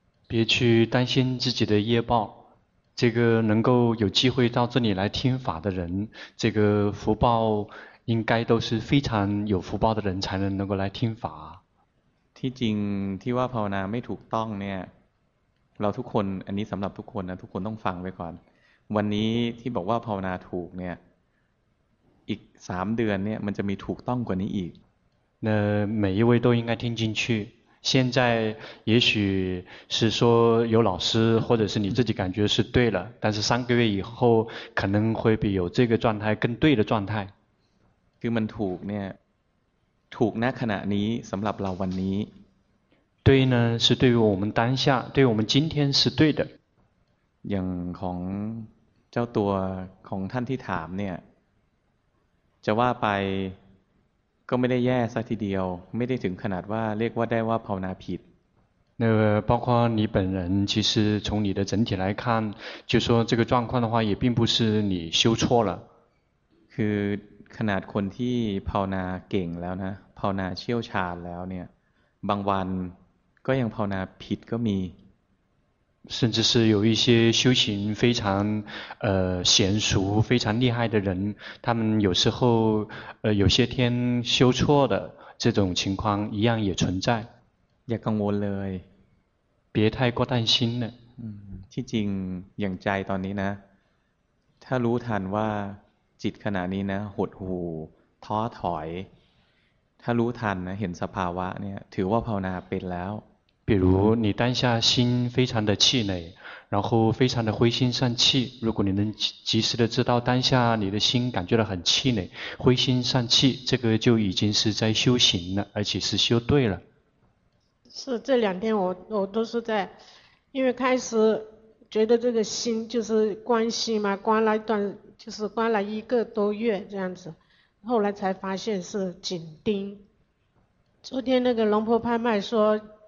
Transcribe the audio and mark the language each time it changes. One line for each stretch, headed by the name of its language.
Chinese: 别去担心自己的业报这个能够有机会到这里来听法的人这个福报应该都是非常有福报的人才能够来听法
Thai: ที่จริงที่ว่าภาวนาไม่ถูกต้องเนี่ยเราทุกคนอันนี้สำหรับทุกคนนะทุกคนต้องฟังไว้ก่อนวันนี้ที่บอกว่าภาวนาถูกเนี่ยอีก3เดือนเนี่ยมันจะมีถูกต้องกว่านี้อีก
Chinese: 那每一位都应该听进去现在也许是说有老师或者是你自己感觉是对了但是三个月以后可能会比有这个状态更对的状态
Thai: คือมันถูกเนี่ยถูกณขณะนี้สำหรับเราวันนี้
Chinese: 对呢是对于我们当下对于我们今天是对的
Thai: อย่างของเจ้าตัวของท่านที่ถามเนี่ยจะว่าไปก็ไม่ได้แย่ซะทีเดียวไม่ได้ถึงขนาดว่าเรียกว่าได้ว่าภาวนาผิด
Chinese: 那包括你本人其实从你的整体来看就说这个状况的话也并不是你修错了
Thai: คือขนาดคนที่ภาวนาเก่งแล้วนะภาวนาเชี่ยวชาญแล้วเนี่ยบางวันก็ยังภาวนาผิดก็มี
Chinese: 甚至是有一些修行非常娴熟非常厉害的人他们有时候有些天修错的这种情况一样也存在。
Thai: อย่ากังวลเลย。
Chinese: 别太过担心了。
Thai: ที่จริงอย่างใจตอนนี้นะถ้ารู้ทันว่าจิตขณะนี้นะหดหู่ท้อถอยถ้ารู้ทันนะเห็นสภาวะเนี่ยถือว่าภาวนาเป็นแล้ว
Chinese: 比如你当下心非常的气馁然后非常的灰心丧气如果你能及时的知道当下你的心感觉到很气馁灰心丧气这个就已经是在修行了而且是修对了是这两天我都是在因为开始觉得这个心就是关心嘛关了一段就是关了一个多月这样子后来才发现是紧盯昨天那个龙婆拍卖说